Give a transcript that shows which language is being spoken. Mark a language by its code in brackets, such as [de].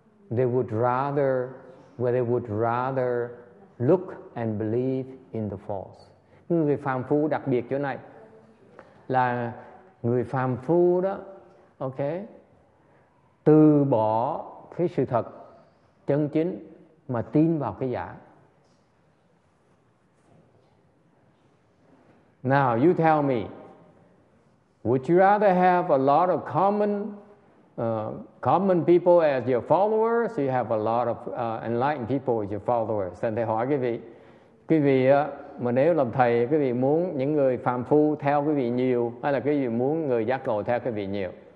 [en] They would rather look and believe in the false. [vi] Người phàm phu đặc biệt chỗ này là người phàm phu đó, okay, từ bỏ cái sự thật chân chính mà tin vào cái giả. [en] Now you tell me, would you rather have a lot of common common people as your followers, you have a lot of enlightened people as your followers. And they [vi] hỏi quý vị, quý vị mà nếu làm thầy, quý vị muốn những người phàm phu theo quý vị nhiều, hay là quý vị muốn người giác ngộ theo quý vị nhiều?